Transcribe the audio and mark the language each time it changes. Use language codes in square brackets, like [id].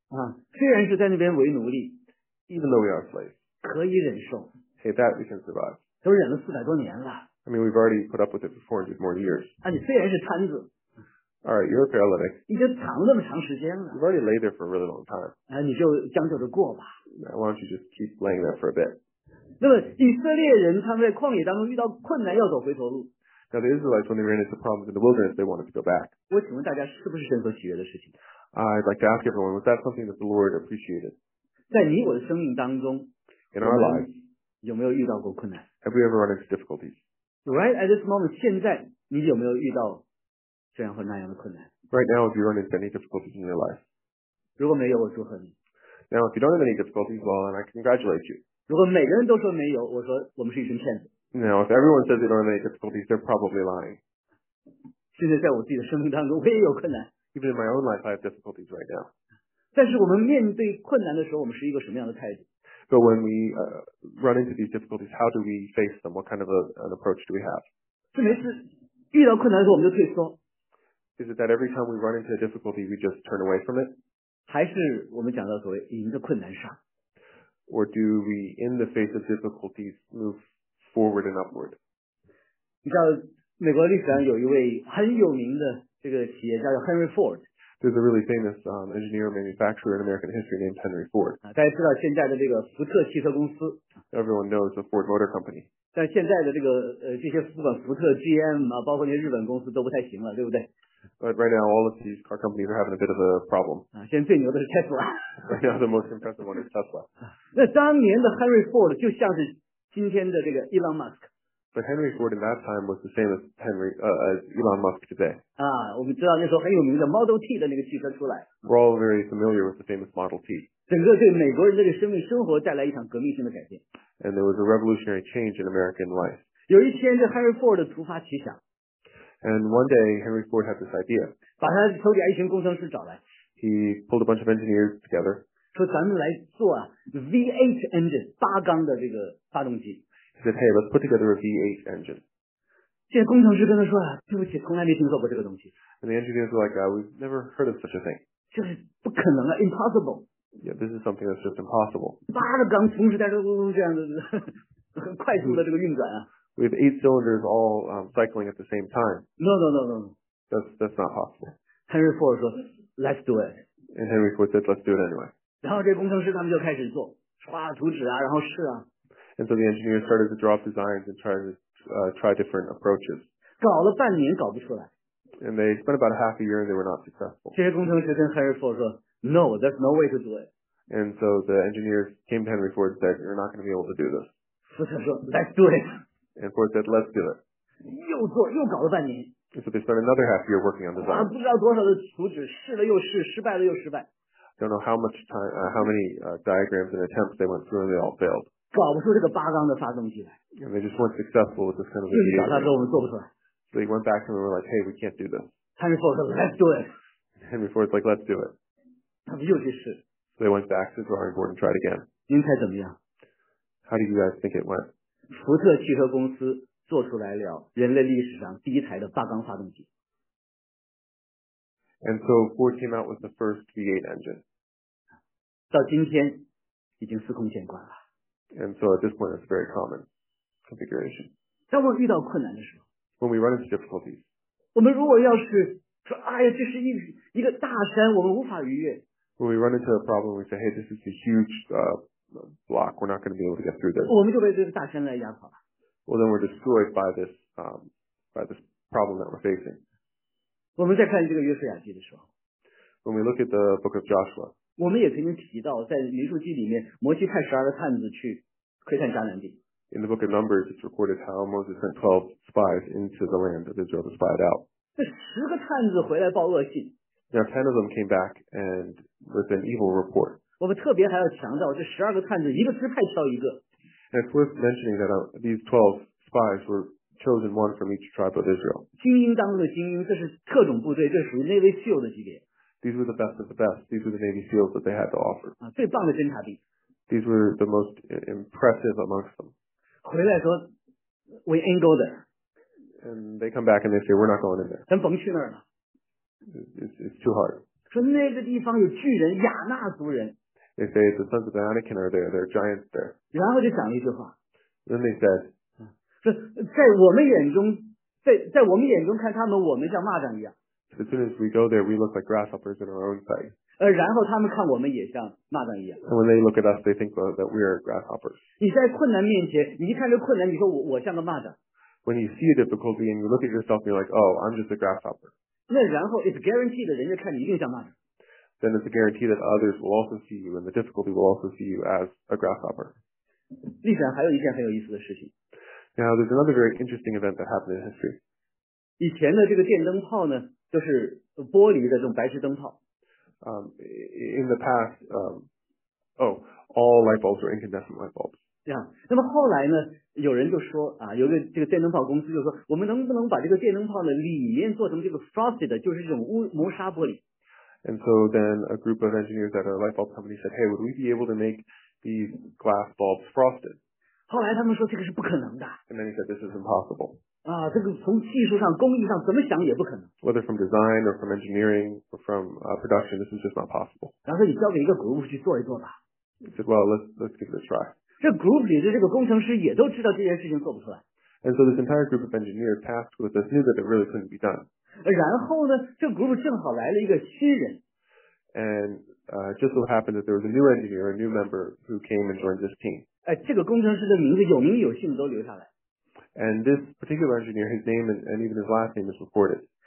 [zh] 啊，虽然是在那边为奴隶。 [en] Even though we are slaves. [zh] 可以忍受。 [en] Hey, that we can survive. [zh] 都忍了400多年了。 [en] I mean, we've already put up with it for 400 more years. [zh] 啊，你虽然是摊子。 [en] Alright, you're a paralytic. [zh] 你就躺了那么长时间了。 [en] You've already laid there for a really long time. [zh] 啊，你就将就着过吧。 [en] Why don't you just keep laying there for a bit? [zh] 那么以色列人他们在旷野当中遇到困难，要走回头路。 [en] Now the Israelites, when they ran into problems in the wilderness, they wanted to go back. I'd like to ask everyone, was that something that the Lord appreciated? [zh] 在你我的生命当中, [en] in our lives, have we ever run into difficulties? Right at this moment, [zh] 现在, [en] right now, have you run into any difficulties in your life? [zh] 如果没有, 我祝贺你。 [en] Now, if you don't have any difficulties, well, then I congratulate you. [zh] 如果每个人都说没有，我说我们是一群骗子。 [en] Now, if everyone says they don't have any difficulties, they're probably lying. [zh] 现在在我自己的生命当中，我也有困难。 [en] Even in my own life, I have difficulties right now. [zh] 但是我们面对困难的时候，我们是一个什么样的态度？ [en] But when we run into these difficulties, how do we face them? What kind of an approach do we have? [zh] 是每次遇到困难的时候我们就退缩。 [en] Is it that every time we run into a difficulty, we just turn away from it? [zh] 还是我们讲到所谓迎着困难上。 [en] Or do we, in the face of difficulties, move forward and upward? [zh] 你知道美国历史上有一位很有名的这个企业家叫 Henry Ford。 [en] There's a really famous engineer manufacturer in American history named Henry Ford. [zh] 大家知道现在的这个福特汽车公司。 [en] Everyone knows the Ford Motor Company. [zh] 但现在的这个这些不管福特、GM 啊，包括那些日本公司都不太行了，对不对？ [en] But right now, all of these car companies are having a bit of a problem. [zh] 现在最牛的是 Tesla. [en] Right now, the most impressive one is Tesla. [zh] 那当年的 Henry Ford 就像是今天的这个 Elon Musk. [en] But Henry Ford in that time was the same as Henry, as Elon Musk today. [zh] 啊，我们知道那时候很有名的 Model T 的那个汽车出来。 [en] We're all very familiar with the famous Model T. [zh] 整个对美国人的这个生命生活带来一场革命性的改变。 [en] And there was a revolutionary change in American life. [zh] 有一天，这 Henry Ford 突发奇想。 [en] And one day, Henry Ford had this idea. [zh] 把他手底下一群工程师找来。 [en] He pulled a bunch of engineers together. [zh] 说咱们来做 V8 engine, 八缸的这个发动机。 [en] He said, hey, let's put together a V8 engine. [zh] 这工程师跟他说啊，对不起，从来没听说过这个东西。 [en] And the engineers were like, we've never heard of such a thing. [zh] 这是不可能啊 ， [en] impossible. Yeah, this is something that's just impossible. [zh] 八个缸同时在这这样的很快速的这个运转啊。 [en] We have eight cylinders all cycling at the same time. No. That's not possible. Henry Ford [zh] 说 [en] ，Let's do it. And Henry Ford said, let's do it anyway. [zh] 然后这工程师他们就开始做，刷图纸啊，然后试啊。 [en] And so the engineers started to draw up designs and try to try different approaches. [zh] 搞了半年搞不出来。 [en] And they spent about a half a year and they were not successful. [zh] 这些工程师跟 [en] Henry Ford 说 ，No, there's no way to do it. And so the engineers came to Henry Ford and said, "You're not going to be able to do this." [zh] 福特说 [en] ，Let's do it. And Ford said, "Let's do it." [zh] 又做又搞了半年。 [en] And so they spent another half year working on design. [zh] 不知道多少的图纸，试了又试，失败了又失败。 [en] Don't know how much time, how many diagrams and attempts they went through and they all failed. [zh] 搞不出这个八缸的发动机来。 [en] And they just weren't successful with this kind of engine. [zh] 他说我们做不出来。 [en] So he went back to them and were like, "Hey, we can't do this." Henry Ford said, "Let's do it." Henry Ford's like, "Let's do it." [zh] 他们又去试。 [en] So they went back to the drawing board and tried again. [zh] 您猜怎么样 [en] ？How do you guys think it went? [zh] 福特汽车公司做出来了人类历史上第一台的八缸发动机。 [en] And so Ford came out with the first V8 engine. [zh] 到今天已经司空见惯了。 [en] And so at this point, it's a very common configuration. [zh] 当我遇到困难的时候 [en] ，when we run into difficulties， [zh] 我们如果要是说，哎呀，这是一个大山，我们无法逾越。 [en] When we run into a problem, we say, "Hey, this is a huge block. We're not going to be able to get through this." [zh] 我们就被这个大山来压垮了。 [en] Well, then we're destroyed by this problem that we're facing. [zh] 我们在看这个约书亚记的时候 [en] ，when we look at the book of Joshua。 [zh] 我们也曾经提到，在民数记里面，摩西派十二个探子去窥探迦南地。 [en] In the book of Numbers, it's recorded how Moses sent 12 spies into the land that Israel had spied out. [zh] 这十个探子回来报恶信。 [en] Now 10 of them came back and with an evil report. [zh] 我们特别还要强调，这十二个探子一个支派挑一个。 [en] And it's worth mentioning that these 12 spies were chosen one from each tribe of Israel. [zh] 精英当中的精英，这是特种部队，这属于 Navy SEAL 的级别。 [en] These were the best of the best. These were the Navy SEALs that they had to offer. [zh] 啊，最棒的侦察兵。 [en] These were the most impressive amongst them. [zh] 回来说 [en] ，We ain't go there. And they come back and they say, "We're not going in there." [zh] 咱甭去那儿了。 [en] It's too hard. [zh] 说那个地方有巨人，亚纳族人。 [en] They say the sons of Anakin are there. There are giants there. [zh] 然后就讲了一句话。 [en] Then they said, [zh] 说在我们眼中，在我们眼中看他们，我们像蚂蚱一样。 [en] As soon as we go there, we look like grasshoppers in our own sight. [zh] 然后他们看我们也像蚂蚱一样。 [en] And when they look at us, they think that we are grasshoppers. [zh] 你在困难面前，你一看这困难，你说我像个蚂蚱。 [en] When you see a difficulty and you look at yourself, you're like, "Oh, I'm just a grasshopper." [zh] 那然后 [en] it's guaranteed [zh] 人家看你一定像蚂蚱。 [en] Then it's a guarantee that others will also see you, and the difficulty will also see you as a grasshopper. [zh] 历史上还有一件很有意思的事情。 [en] Now there's another very interesting event that happened in history. [zh] 以前的这个电灯泡呢？就是玻璃的这种白炽灯泡。 [en] In the past, Oh, all light bulbs are incandescent light bulbs. [zh] 那么后来呢，有人就说啊，有个这个电灯泡公司就说，我们能不能把这个电灯泡的里面做成这个 frosted 的，就是这种磨砂玻璃。 [en] And so then a group of engineers at a light bulb company said, hey, would we be able to make these glass bulbs frosted? [zh] 后来他们说这个是不可能的。 [en] And then he said, this is impossible. [zh] 啊，这个从技术上、工艺上，怎么想也不可能。 [en] Whether from design or from engineering or from production, this is just not possible. [zh] 然后你交给一个group去做一做吧。 [en] He said, well, let's give it a try. [zh] 这group里的这个工程师也都知道这件事情做不出来。 [en] And so this entire group of engineers tasked with this knew that it really couldn't be done. [zh] 然后呢，这group正好来了一个新人。 [en] And just so happened that there was a new engineer, a new member who came and joined this team. [zh] 哎，这个工程师的名字有名有姓都留下来。 [en] And this particular engineer, his name and even his last name is recorded.